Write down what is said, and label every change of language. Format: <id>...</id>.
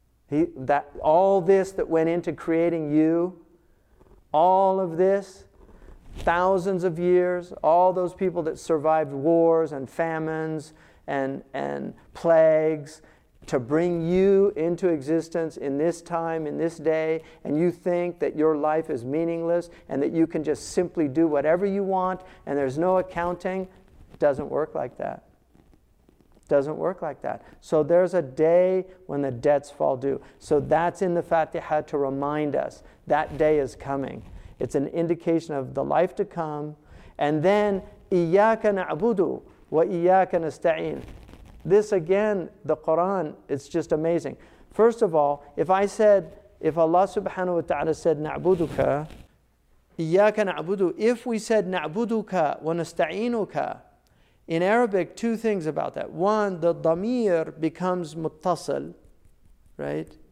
<en>That all this that went into creating you, all of this, thousands of years, all those people that survived wars and famines and plagues to bring you into existence in this time, in this day, and you think that your life is meaningless and that you can just simply do whatever you want and there's no accounting, doesn't work like that. Doesn't work like that. So there's a day when the debts fall due. So that's in the Fatiha to remind us that day is coming. It's an indication of the life to come. And then,</en> <ar>إِيَّاكَ نَعْبُدُ وَإِيَّاكَ نَسْتَعِينَ.</ar> <en>This again, the Quran, it's just amazing. First of all, if Allah subhanahu wa ta'ala said,</en> <ar>نَعْبُدُكَ, إِيَّاكَ نَعْبُدُ,</ar> <en>if we said,</en> <ar>نَعْبُدُكَ وَنَسْتَعِينُكَ,</ar> <en>in Arabic, two things about that. One, the dhamir becomes muttasil, right?</en>